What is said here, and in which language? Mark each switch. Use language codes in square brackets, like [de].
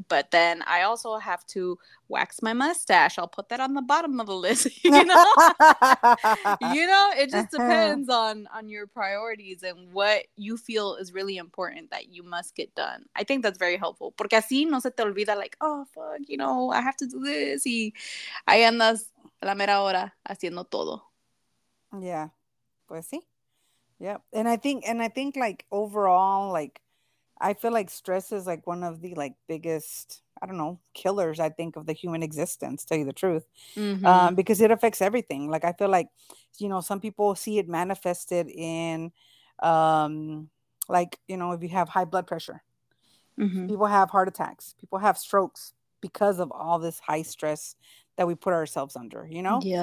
[en] But then I also have to wax my mustache. I'll put that on the bottom of the list, you know. You know, it just depends on your priorities and what you feel is really important that you must get done. I think that's very helpful. [es] Porque así no se te olvida, [en] like, oh, fuck, you know, I have to do this. [es] Y ahí andas a la mera hora haciendo todo. [en] Yeah. [es] Pues sí. [en] Yeah. And I think like overall, like I feel like stress is like one of the like biggest, I don't know, killers, I think, of the human existence, tell you the truth. Because it affects everything. Like I feel like, you know, some people see it manifested in like, you know, if you have high blood pressure, people have heart attacks, people have strokes because of all this high stress that we put ourselves under, you know?